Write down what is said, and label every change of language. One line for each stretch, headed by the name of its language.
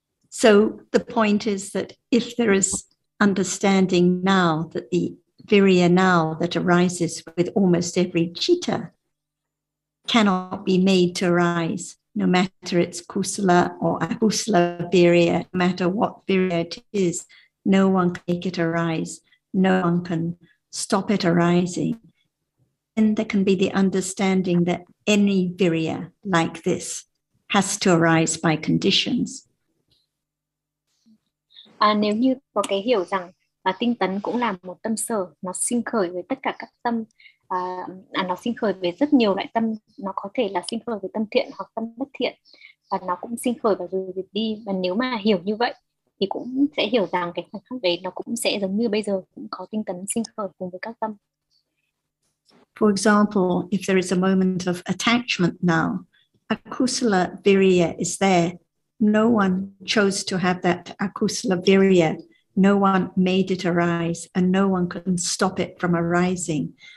English: So the point is that if there is understanding now that the virya now that arises with almost every citta cannot be made to arise, no matter it's kusala or akusala virya, no matter what virya it is, no one can make it arise, no one can stop it arising. And there can be the understanding that any virya like this has to arise by conditions.
Vietnamese: Nếu như có cái hiểu rằng tinh tấn cũng là một tâm sở, nó sinh khởi với tất cả các tâm, nó sinh khởi với rất nhiều loại tâm, nó có thể là sinh khởi với tâm thiện hoặc tâm bất thiện, và nó cũng sinh khởi và rồi diệt đi. Và nếu mà hiểu như vậy thì cũng sẽ hiểu rằng cái khoảnh khắc đấy nó cũng sẽ giống như bây giờ, cũng có tinh tấn sinh khởi cùng với các tâm.
English: For example, if there is a moment of attachment now, akusala virya is there. No one chose to have that akusala virya. No one made it arise and no one can stop it from arising.